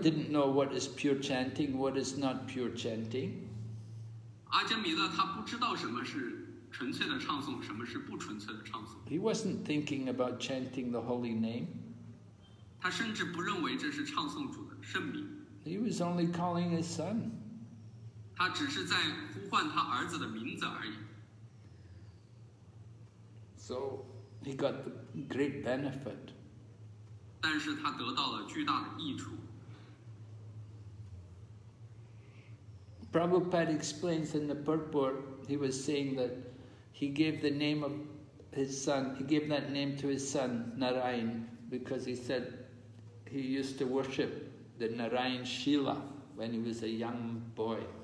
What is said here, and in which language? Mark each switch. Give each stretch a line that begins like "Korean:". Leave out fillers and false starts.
English: didn't know what is pure chanting, what is not pure chanting.
Chinese: 阿迦弥勒他不知道什么是纯粹的唱诵，什么是不纯粹的唱诵。
English: He wasn't thinking about chanting the holy name.
Chinese: 他甚至不认为这是唱诵主的圣名。
English: He was only calling his son.
Chinese: 他只是在呼唤他儿子的名字而已。
English: So he got the great benefit.
Chinese: 但是他得到了巨大的益处。
English: Prabhupada explains in the purport, he was saying that he gave the name of his son, he gave that name to his son, Narayan, because he said he used to worship the Narayan Shila when he was a young boy.